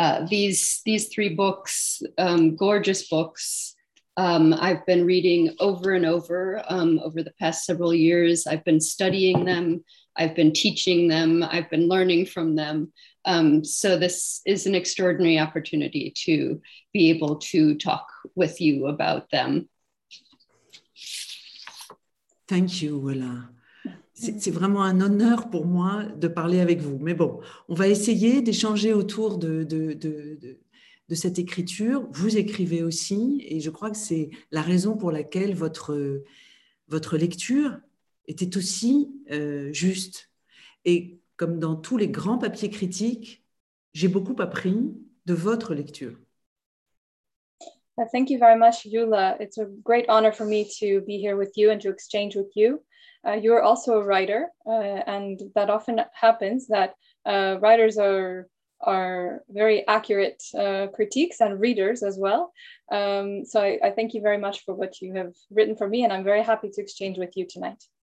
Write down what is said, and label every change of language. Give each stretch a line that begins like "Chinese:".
English: These three books, gorgeous books, I've been reading over and over over the past several years. I've been studying them. I've been teaching them. I've been learning from them. So this is an extraordinary opportunity to be able to talk with you about them. Thank you, Oula.
French: C'est vraiment un honneur pour moi de parler avec vous. Mais bon, on va essayer d'échanger autour de cette écriture. Vous écrivez aussi, et je crois que c'est la raison pour laquelle votre lecture était aussi juste. Et comme dans tous les grands papiers critiques, j'ai beaucoup appris de votre lecture.
English: Thank you very much, Oula. It's a great honor for me to be here with you and to exchange with you. You're also a writer, and that often happens that writers are very accurate critiques and readers as well. So I thank you very much for what you have written for me, and I'm very happy to exchange with you tonight.